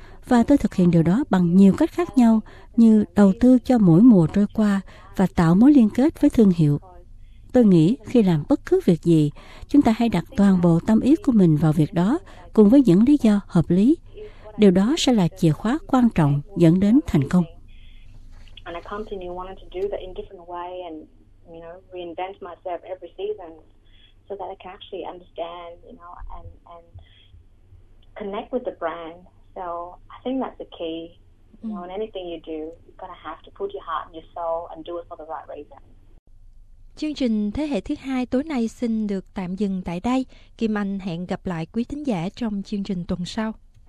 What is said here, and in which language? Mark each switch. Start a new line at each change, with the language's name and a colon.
Vietnamese: Và tôi thực hiện điều đó bằng nhiều cách khác nhau, như đầu tư cho mỗi mùa trôi qua và tạo mối liên kết với thương hiệu. Tôi nghĩ khi làm bất cứ việc gì, chúng ta hãy đặt toàn bộ tâm ý của mình vào việc đó cùng với những lý do hợp lý. Điều đó sẽ là chìa khóa quan trọng dẫn đến thành công.
English: company wanted to do that in different way and, you know, reinvent myself every season so that I can actually understand, you know, and connect with the brand. So I think that's the key. You know, in anything you do, you're going to have to put your heart and your soul and do it for the right reason.
Vietnamese: Chương trình Thế hệ thứ hai tối nay xin được tạm dừng tại đây. Kim Anh hẹn gặp lại quý thính giả trong chương trình tuần sau.